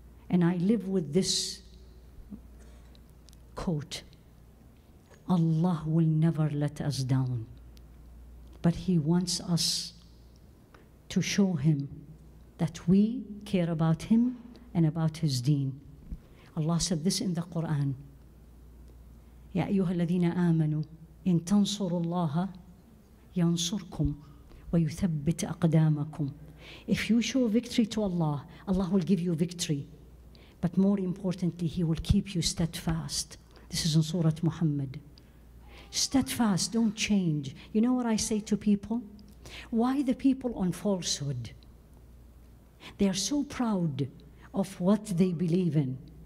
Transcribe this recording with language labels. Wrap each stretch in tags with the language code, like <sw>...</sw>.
<en>And I live with this quote, Allah will never let us down, but He wants us to show Him that we care about Him and about His deen. Allah said this in the Quran,</en> <ar>يَا أَيُّهَا الَّذِينَ آمَنُوا إِن تَنصُرُوا اللَّهَ يَنصُرْكُمْ وَيُثَبِّتْ أَقْدَامَكُمْ.</ar> <en>If you show victory to Allah, Allah will give you victory. But more importantly, He will keep you steadfast. This is in Surah Muhammad. Steadfast, don't change. You know what I say to people? Why the people on falsehood? They are so proud of what they believe in.</en>